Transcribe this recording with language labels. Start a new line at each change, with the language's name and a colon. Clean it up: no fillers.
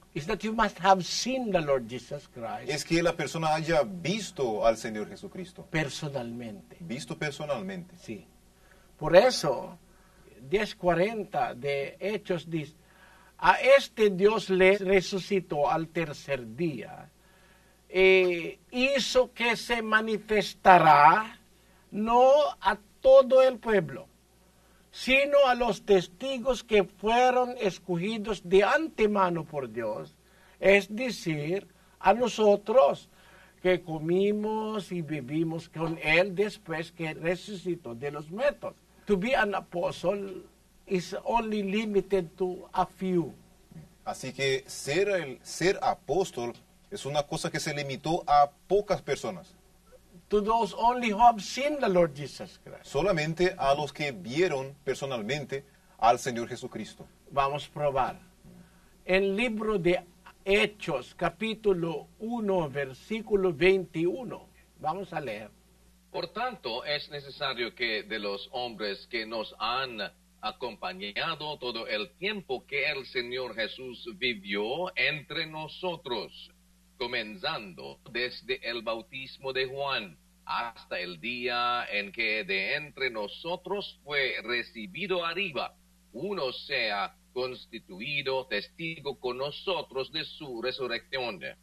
English: Is that you must have seen the Lord Jesus Christ.
Spanish: Es que la persona haya visto al Señor Jesucristo. Personalmente. Visto personalmente. Sí. Por eso, 10:40 de Hechos dice: a este Dios le resucitó al tercer día, e hizo que se manifestará, no a todo el pueblo, sino a los testigos que fueron escogidos de antemano por Dios, es decir, a nosotros que comimos y vivimos con él después que resucitó de los muertos.
English: To be an apostle is only limited to a few.
Spanish: Así que ser apóstol es una cosa que se limitó a pocas personas.
English: To those only who have seen the Lord Jesus Christ.
Spanish: Solamente a los que vieron personalmente al Señor Jesucristo. Vamos a probar. el libro de Hechos, capítulo 1, versículo 21. Vamos a leer. Por tanto, es necesario que de los hombres que nos han acompañado todo el tiempo que el Señor Jesús vivió entre nosotros, comenzando desde el bautismo de Juan hasta el día en que de entre nosotros fue recibido arriba, uno sea constituido testigo con nosotros de su resurrección.